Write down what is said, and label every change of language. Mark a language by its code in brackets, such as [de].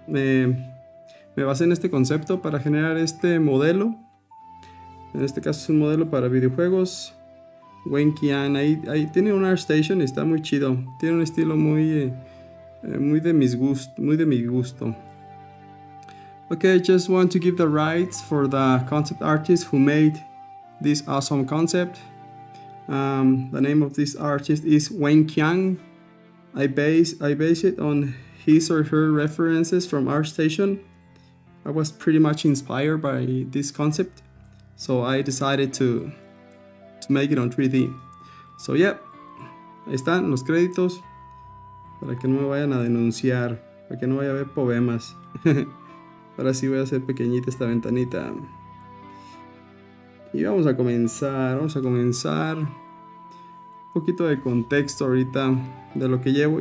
[es] Me basé en este concepto para generar este modelo. En este caso es un modelo para videojuegos. Wayne Qian, ahí tiene un Art Station y está muy chido. Tiene un estilo muy muy de mi gusto. [en] Okay, I just want to give the rights for the concept artist who made this awesome concept. The name of this artist is Wayne Qian. I base it on his or her references from Art Station. I was pretty much inspired by this concept, so I decided to make it on 3D. So yeah, [es] ahí están los créditos. Para que no me vayan a denunciar, para que no vaya a haber problemas. Ahora sí voy a hacer pequeñita esta ventanita. Y vamos a comenzar. Un poquito de contexto ahorita de lo que llevo.